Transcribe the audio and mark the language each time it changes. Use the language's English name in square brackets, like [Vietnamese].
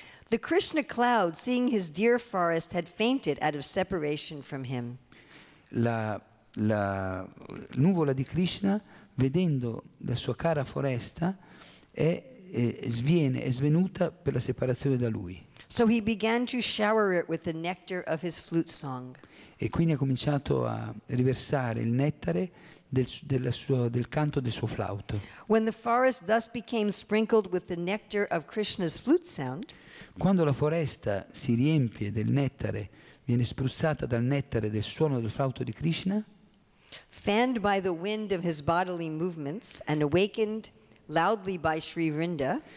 [English] The Krishna cloud, seeing his dear forest, had fainted out of separation from him. [Italian] La nuvola di Krishna, vedendo la sua cara foresta, è svenuta per la separazione da lui. [English] So he began to shower it with the nectar of his flute song. [Italian] E quindi ha cominciato a riversare il nettare del canto del suo flauto. [English] When the forest thus became sprinkled with the nectar of Krishna's flute sound, [Italian] quando la foresta si riempie del nettare, viene spruzzata dal nettare del suono del flauto di Krishna, [English] fanned by the wind of his bodily movements and awakened loudly by Sri Vrinda,